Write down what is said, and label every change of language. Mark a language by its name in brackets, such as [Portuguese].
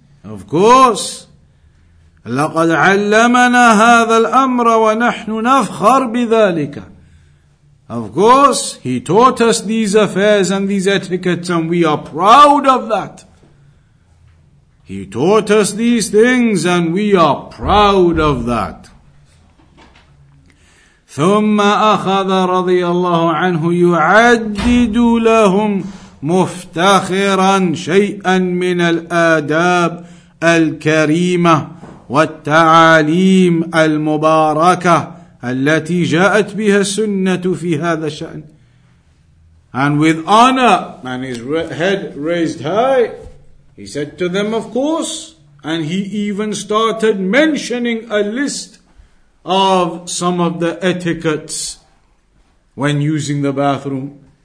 [English] Of course. [Arabic] لَقَدْ عَلَّمَنَا هَذَا الْأَمْرَ وَنَحْنُ نَفْخَرْ بِذَلِكَ [English] Of course, he taught us these affairs and these etiquettes, and we are proud of that. He taught us these things, and we are proud of that. [Arabic] ثُمَّ أَخَذَ رَضِيَ اللَّهُ عَنْهُ يُعَدِّدُ لَهُمْ مُفْتَخِرًا شَيْئًا مِنَ الْآدَابِ الْكَرِيمَةِ والتعاليم المباركة التي جاءت بها السنة في هذا الشأن. [English] And with honor, and his head raised high, he said to them, of course, and he even started mentioning a list of some of the etiquettes when using the bathroom.